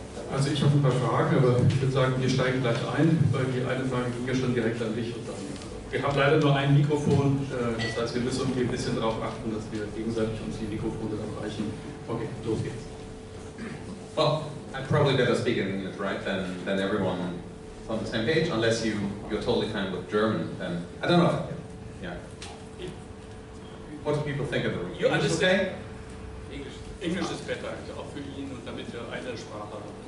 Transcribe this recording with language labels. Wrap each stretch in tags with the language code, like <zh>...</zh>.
<de>Also ich habe ein paar Fragen, aber ich würde sagen, wir steigen gleich ein, weil die eine Frage ging ja schon direkt an dich. Und dann. Wir haben leider nur ein Mikrofon, das heißt, wir müssen ein bisschen darauf achten, dass wir gegenseitig uns die Mikrofone dann reichen. Okay, los geht's.</de> <en>Well, I'd probably better speak in English, right, than everyone on the same page, unless you're totally fine with German, then I don't know. Yeah. What do people think of the room? You understand? English is better,</en> <de>auch für ihn, und damit wir eine Sprache haben.</de>